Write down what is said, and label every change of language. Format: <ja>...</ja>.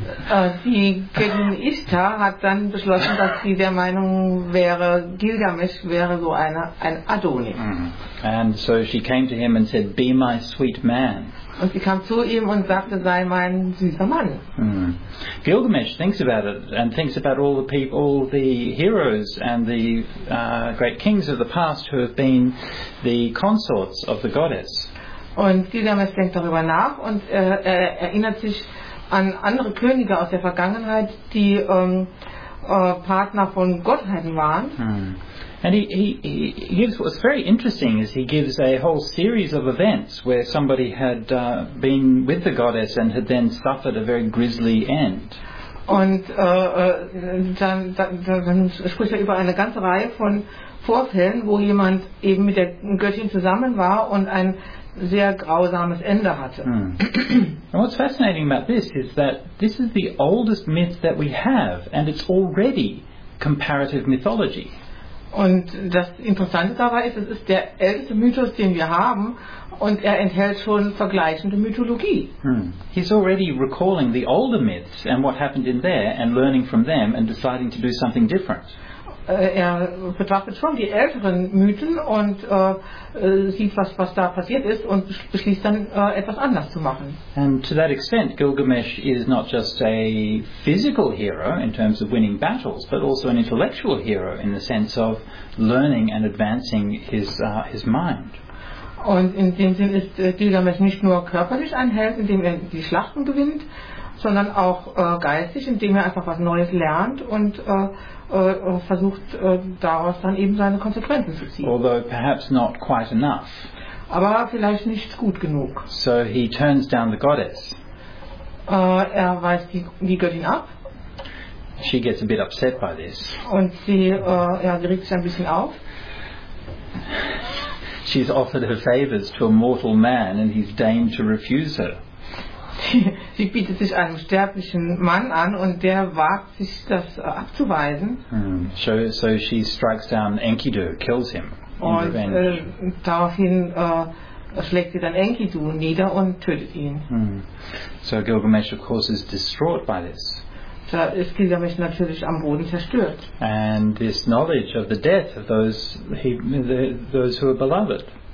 <de>Die Göttin Ishtar hat dann beschlossen, dass sie der Meinung wäre, Gilgamesh wäre so ein Adonis. Mm-hmm.</de> <en>And so she came to him and said, be my sweet man.</en> <de>Und sie kam zu ihm und sagte, sei mein süßer Mann. Mm-hmm.</de> <en>Gilgamesh thinks about it and thinks about all the people, all the heroes and the great kings of the past who have been the consorts of the goddess.</en> <de>Und Gilgamesh denkt darüber nach und erinnert sich an andere Könige aus der Vergangenheit, die Partner von Gottheiten waren. Hmm.</de> <en>And he gives, what's very interesting is he gives a whole series of events where somebody had been with the goddess and had then suffered a very grisly end.</en> <de>Und dann spricht er über eine ganze Reihe von Vorfällen, wo jemand eben mit der Göttin zusammen war und ein sehr grausames Ende hatte. Mm.</de> <en>And what's fascinating about this is that this is the oldest myth that we have, and it's already comparative mythology.</en> <de>Und das Interessante dabei ist, es ist der älteste Mythos, den wir haben, und er enthält schon vergleichende Mythologie. Mm.</de> <en>He's already recalling the older myths and what happened in there, and learning from them and deciding to do something different.</en> <de>Er betrachtet schon die älteren Mythen und sieht, was da passiert ist und beschließt dann, etwas anders zu machen.</de> <en>And to that extent, Gilgamesh is not just a physical hero in terms of winning battles, but also an intellectual hero in the sense of learning and advancing his mind.</en> <de>Und in dem Sinn ist Gilgamesh nicht nur körperlich ein Held, indem er die Schlachten gewinnt, sondern auch geistig, indem er einfach was Neues lernt und versucht daraus dann eben seine Konsequenzen zu ziehen.</de> <en>Although perhaps not quite enough.</en> <de>Aber vielleicht nicht gut genug.</de> <en>So he turns down the goddess.</en> <de>Er weist die Göttin ab.</de> <en>She gets a bit upset by this.</en> <de>Und sie regt sich ein bisschen auf.</de> <en>She's offered her favors to a mortal man and he's deigned to refuse her.</en> <de>Sie bietet sich einem sterblichen Mann an und der wagt sich das abzuweisen.</de> <en>So she strikes down Enkidu, kills him in revenge.</en> <de>Und daraufhin schlägt sie dann Enkidu nieder und tötet ihn.</de> <en>So Gilgamesh of course is distraught by this.</en> <de>Da ist Gilgamesh natürlich am Boden zerstört.</de> <en>And this knowledge of the death of those who are beloved.</en>